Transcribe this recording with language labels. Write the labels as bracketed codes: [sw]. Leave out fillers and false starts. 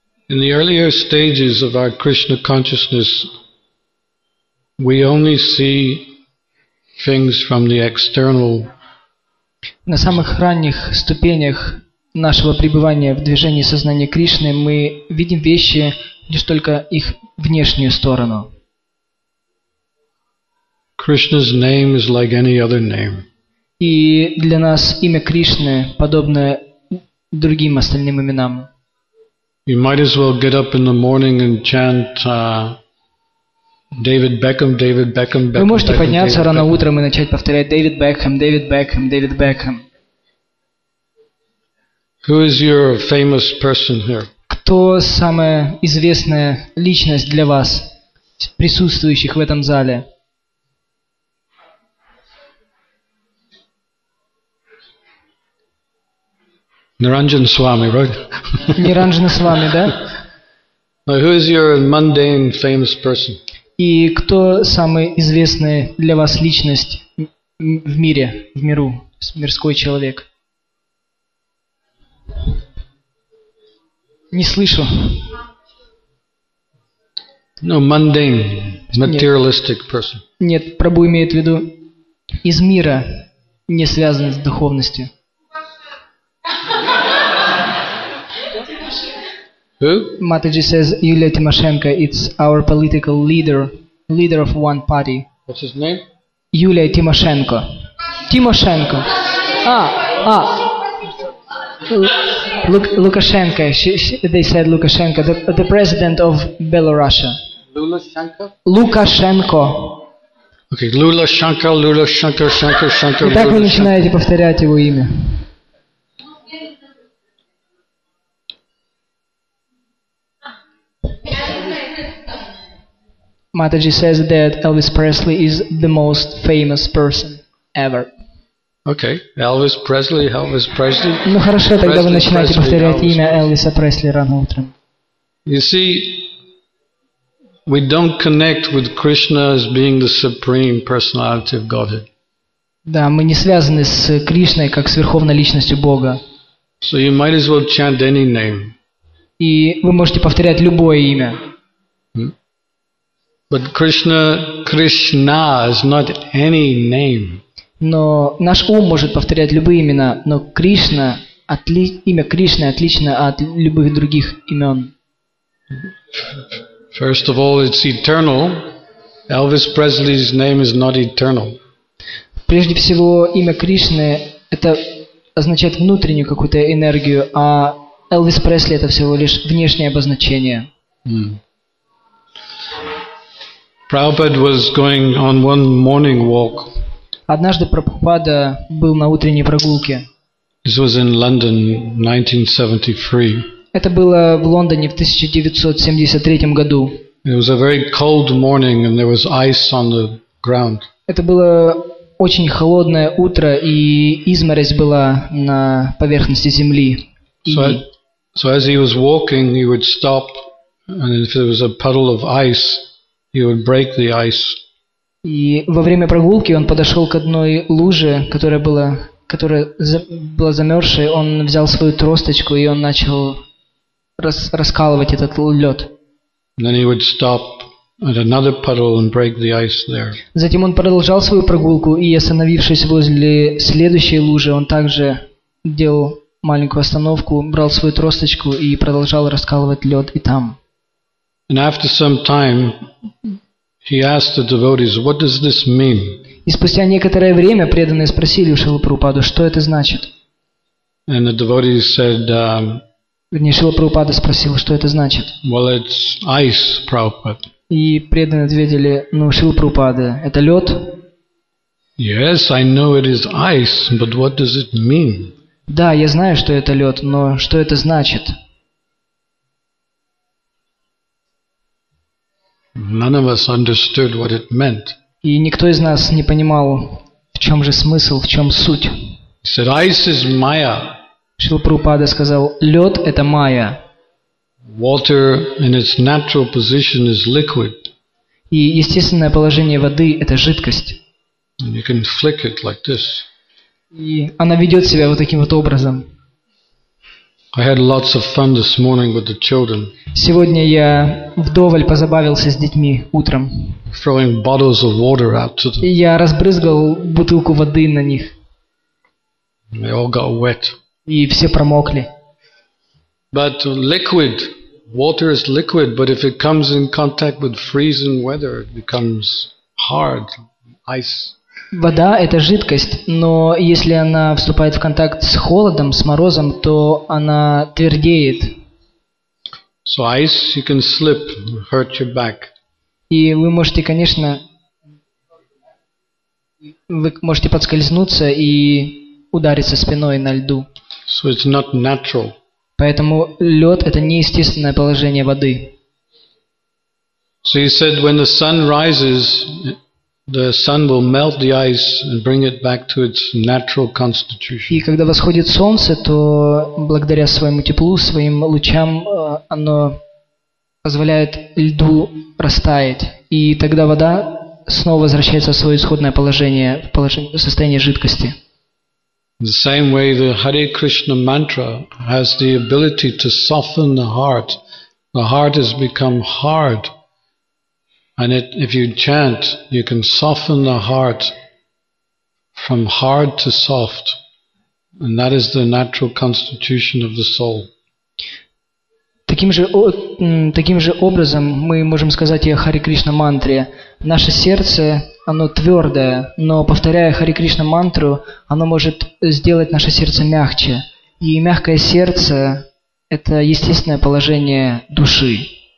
[en] In the earlier stages of our Krishna consciousness, we only see things from the external. [ru] На самых ранних ступенях нашего пребывания в движении сознания Кришны мы видим вещи лишь только их внешнюю сторону. [en] Krishna's name is like any other name. [ru] И для нас имя Кришны подобно другим остальным именам. [en] You might as well get up in the morning and chant David Beckham, David Beckham, Beckham. [ru] Вы можете подняться рано утром и начать повторять David Beckham, David Beckham, David Beckham. [en] Who is your famous person here? [ru] Кто самая известная личность для вас, присутствующих в этом зале? [en] Niranjan Swami, right? [ru] Niranjan Swami, да? [en] Now, who is your mundane famous person? [ru] И кто самый известный для вас личность в мире, в миру, мирской человек? Не слышу. [en] No, mundane, materialistic person. [ru] Нет, Прабху имеет в виду из мира, не связанный с духовностью. [en] Who? Mataji says Yulia Tymoshenko, it's our political leader, leader of one party. What's his name? Yulia Tymoshenko. Tymoshenko. Lukashenko. They said Lukashenko, the president of Belarus. Lukashenko? Lukashenko. Okay, Lukashenko, Lukashenko, Shenko, Shenko. [ru] И так вы начинаете повторять его имя. [en] Mataji says that Elvis Presley is the most famous person ever. Okay, Elvis Presley, Elvis Presley. [ru] Ну хорошо, тогда вы начинаете повторять имя Элвиса Пресли рано утром. [en] You see, we don't connect with Krishna as being the supreme personality of Godhead. [ru] Да, мы не связаны с Кришной как с верховной личностью Бога. [en] So you might as well chant any name. [ru] И вы можете повторять любое имя. [en] But Krishna, Krishna is not any name. [ru] Но наш ум может повторять любые имена, но Кришна, имя Кришны отлично от любых других имен. [en] First of all, it's eternal. Elvis Presley's name is not eternal. [ru] Прежде всего, имя Кришны это означает внутреннюю какую-то энергию, а Элвис Пресли это всего лишь внешнее обозначение. [en] Prabhupada was going on one morning walk. [ru] Однажды Прабхупада был на утренней прогулке. [en] This was in London, 1973. [ru] Это было в Лондоне в 1973 году. [en] It was a very cold morning and there was ice on the ground. [ru] Это было очень холодное утро и изморозь была на поверхности земли. [en] So as he was walking, he would stop, and if there was a puddle of ice, he would break the ice. [ru] И во время прогулки он подошел к одной луже, которая была замерзшей. Он взял свою тросточку и он начал раскалывать этот лед. [en] Then he would stop at another puddle and break the ice there. [ru] Затем он продолжал свою прогулку и, остановившись возле следующей лужи, он также делал маленькую остановку, брал свою тросточку и продолжал раскалывать лед и там. [en] And after some time, he asked the devotees, "What does this mean?" [ru] И спустя некоторое время преданные спросили у Шрилы Прабхупады, что это значит. [en] And the devotees said, [ru] Шрила Прабхупада спросил, что это значит. [en] Well, it's ice, Prabhupada. [ru] И преданные ответили, ну, Шрила Прабхупада, это лед? [en] Yes, I know it is ice, but what does it mean? [ru] Да, я знаю, что это лед, но что это значит? [en] None of us understood what it meant. [ru] И никто из нас не понимал, в чем же смысл, в чем суть. [en] He said, ice is maya. [ru] Шрила Прабхупада сказал, лед это майя. [en] Water in its natural position is liquid. [ru] И естественное положение воды это жидкость. [en] And you can flick it like this. [ru] И она ведет себя вот таким вот образом. [en] I had lots of fun this morning with the children. [ru] Сегодня я вдоволь позабавился с детьми утром. [en] Throwing bottles of water out to them. [ru] И я разбрызгал бутылку воды на них. [en] They all got wet. [ru] И все промокли. [en] But liquid, water is liquid, but if it comes in contact with freezing weather, it becomes hard, ice. [ru] Вода – это жидкость, но если она вступает в контакт с холодом, с морозом, то она твердеет. [en] So ice, you can slip, hurt your back. [ru] И вы можете подскользнуться и удариться спиной на льду. [en] So it's not natural. [ru] Поэтому лед – это неестественное положение воды. [en] So he said, when the sun rises, the sun will melt the ice and bring it back to its natural constitution. [ru] И когда восходит солнце, то благодаря своему теплу, своим лучам, оно позволяет льду растаять. И тогда вода снова возвращается в свое исходное положение, в состояние жидкости. [en] In the same way, the Hare Krishna mantra has the ability to soften the heart. The heart has become hard. And if you chant, you can soften the heart from hard to soft. And that is the natural constitution of the soul. [ru] Таким же образом мы можем сказать о Харе Кришна мантре. Наше сердце, оно твердое, но повторяя Харе Кришна мантру, оно может сделать наше сердце мягче. И мягкое сердце – это естественное положение души.